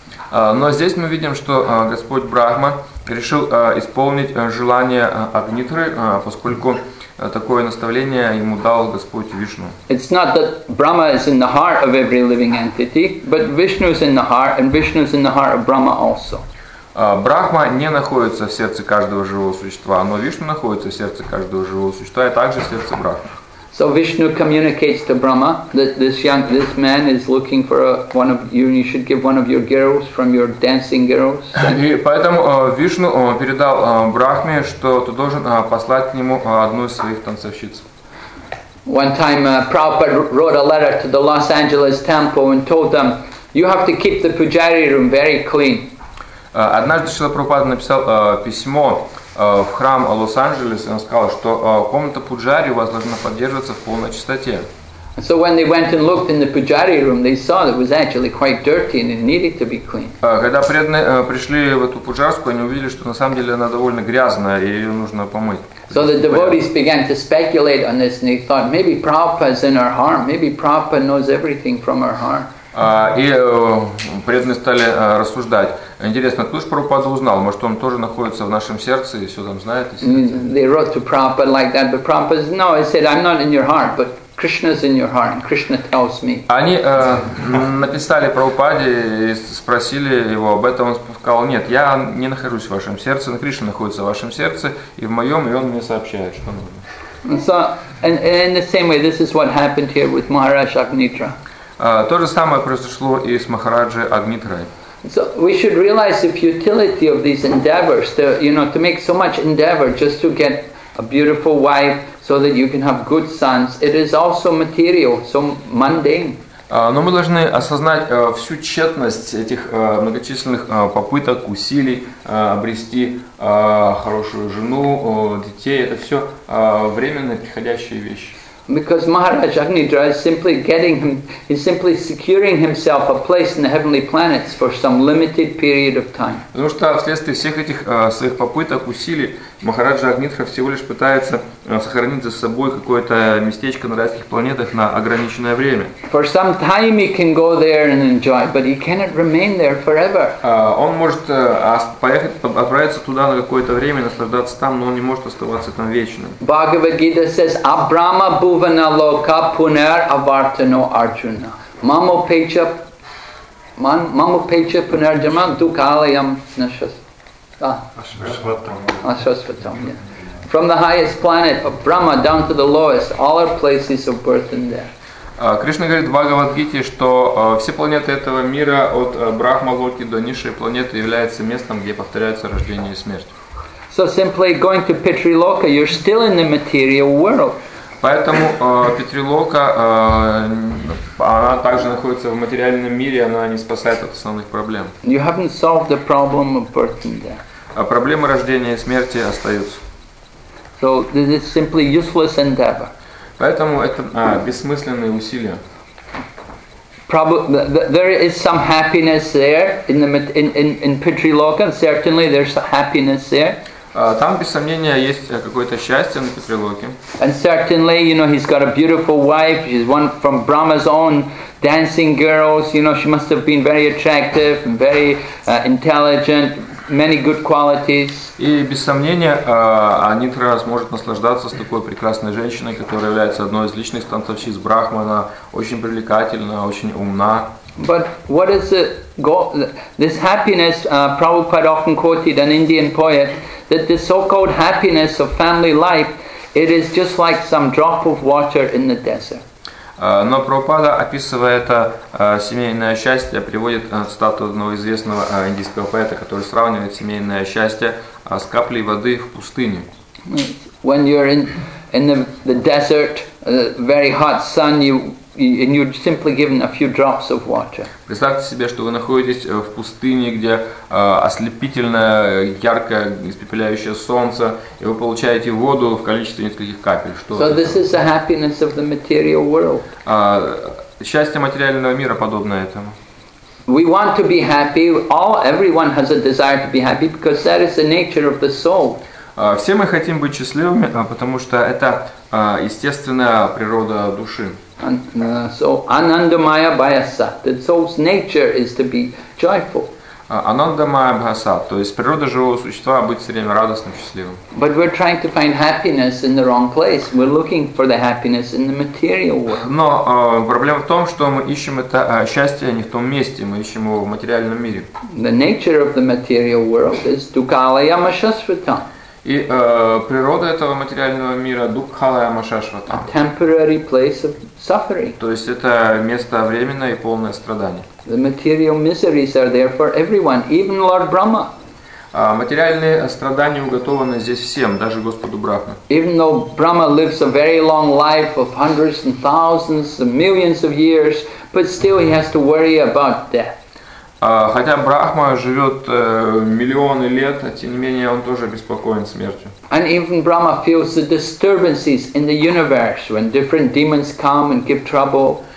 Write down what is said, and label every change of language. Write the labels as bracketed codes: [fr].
[ru] Но здесь мы видим, что Господь Брахма решил исполнить желание Агнидры, поскольку такое наставление ему дал Господь Вишну. [en] It's not that Brahma is in the heart of every living entity, but Vishnu is in the heart, and Vishnu is in the heart of Brahma also. [ru] Брахма не находится в сердце каждого живого существа, но Вишну находится в сердце каждого живого существа и также в сердце Брахмы. [en] So Vishnu communicates to Brahma that this man is looking for one of you, and you should give one of your girls from your dancing girls. [ru] И поэтому Вишну передал Брахме, что ты должен послать к нему одну из своих танцовщиц. [en] One time Prabhupada wrote a letter to the Los Angeles temple and told them, you have to keep the pujari room very clean. [ru] Однажды Шрила Прабхупада написал письмо в храм Лос-Анджелеса, и он сказал, что комната пуджари у вас должна поддерживаться в полной чистоте. [en] So when they went and looked in the pujari room, they saw that it was actually quite dirty and it needed to be cleaned. [ru] Когда преданные пришли в эту пуджарскую, они увидели, что на самом деле она довольно грязная, и ее нужно помыть. [en] So the devotees began to speculate on this, and they thought maybe Prabhupada is in our heart, maybe Prabhupada knows everything from our heart. [ru] И преданные стали рассуждать. Интересно, кто же Прабхупада узнал? Может, он тоже находится в нашем сердце и все там знает? [en] They wrote to Prabhupada like that, but Prabhupada said, no, I said, I'm not in your heart, but Krishna's in your heart, and Krishna tells me. [ru] Они написали Прабхупаде и спросили его об этом. Он сказал, нет, я не нахожусь в вашем сердце, но Кришна находится в вашем сердце и в моем, и он мне сообщает, что нужно. [en] So, in the same way, this is what happened here with Maharaj Agnidra. [ru] То же самое произошло и с Махараджей Агнидрой. [en] So we should realize the futility of these endeavors, to make so much endeavor just to get a beautiful wife so that you can have good sons. It is also material, so mundane. [ru] Но мы должны осознать всю тщетность этих многочисленных попыток, усилий обрести хорошую жену, детей. Это все временные, приходящие вещи. [en] Because Maharaj Agnidra is simply securing himself a place in the heavenly planets for some limited period of time. [ru] Потому что вследствие всех этих своих попыток, усилий, Махараджа Агнитха всего лишь пытается сохранить за собой какое-то местечко на райских планетах на ограниченное время. [en] For some time he can go there and enjoy, but he cannot remain there forever. [ru] Он может поехать, отправиться туда на какое-то время, наслаждаться там, но он не может оставаться там вечно. [en] Bhagavad Gita says, [sa] Abrahma Bhuvana Loka Punar Avartano Arjuna. Mamo Pecha Punar Jaman Dukalayam Nashas. Ashvatam. Yeah. [en] From the highest planet of Brahma down to the lowest, all are places of birth and death. [ru] Кришна говорит в Бхагавад-гите, что все планеты этого мира от Брахмалоки до низшей планеты являются местом, где повторяются рождение и смерть. [en] So simply going to Pitriloka, you're still in the material world. [ru] Поэтому Питрилока, она также находится в материальном мире, она не спасает от основных проблем. [en] You haven't solved the problem of birth and death. [ru] А проблемы рождения и смерти остаются. [en] So this is simply useless endeavor. [ru] Поэтому это бессмысленные усилия. [en] There is some happiness there in Pitriloka, and certainly there's happiness there. [ru] Там без сомнения есть какое-то счастье на Пятрилоке. [en] And certainly, you know, he's got a beautiful wife. She's one from Brahma's own dancing girls. You know, she must have been very attractive, and very intelligent. Many good qualities. [ru] И без сомнения, Анитра сможет наслаждаться с такой прекрасной женщиной, которая является одной из личных танцовщиц Брахмана, очень привлекательна, очень умна. [en] But what is this happiness? Prabhupada often quoted an Indian poet that the so-called happiness of family life, it is just like some drop of water in the desert. [ru] Но Прабхупада, описывая это семейное счастье, приводит цитату одного известного индийского поэта, который сравнивает семейное счастье с каплей воды в пустыне. [en] When you're in the desert, very hot sun, and you're simply given a few drops of water. [ru] Представьте себе, что вы находитесь в пустыне, где ослепительное, яркое, испепеляющее солнце, и вы получаете воду в количестве нескольких капель. [en] So this is the happiness of the material world. [ru] Счастье материального мира подобно этому. [en] We want to be happy. Everyone has a desire to be happy because that is the nature of the soul. [ru] Все мы хотим быть счастливыми, потому что это естественная природа души. [en] So [sa] anandamaya bhayasat, [en] the soul's nature is to be joyful. [sa] Anandamaya bhayasat, [ru] то есть природа живого существа быть все время радостным, счастливым. [en] But we're trying to find happiness in the wrong place. We're looking for the happiness in the material world. [ru] Но проблема в том, что мы ищем это счастье не в том месте, мы ищем его в материальном мире. [en] The nature of the material world is [sa] dukkhalayam ashashvatam. [ru] И природа этого материального мира [sa] дукхалая машашвата. [en] A temporary place of suffering. [ru] То есть это место временное и полное страдания. [en] The material miseries are there for everyone, even Lord Brahma. [ru] Материальные страдания уготованы здесь всем, даже Господу Брахме. [en] Even though Brahma lives a very long life of hundreds and thousands and millions of years, but still he has to worry about death. [ru] Хотя Брахма живет миллионы лет, тем не менее он тоже обеспокоен смертью. [en] And even Brahma feels the disturbances in the universe when different demons come and give trouble.